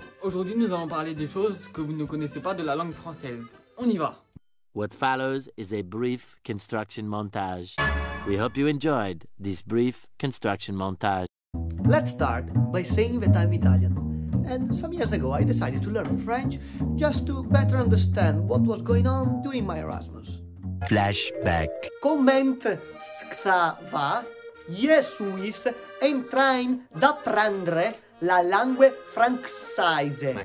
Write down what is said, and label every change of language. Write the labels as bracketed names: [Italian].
[French] Aujourd'hui nous allons parler des choses que vous ne connaissez pas de la langue française. On y va. [English] What follows is a brief construction montage. We hope you enjoyed this brief construction montage. Let's start by saying that I'm Italian. And some years ago, I decided to learn French just to better understand what was going on during my Erasmus. Flashback. [French] Comment ça va? Je suis en train d'apprendre la langue française.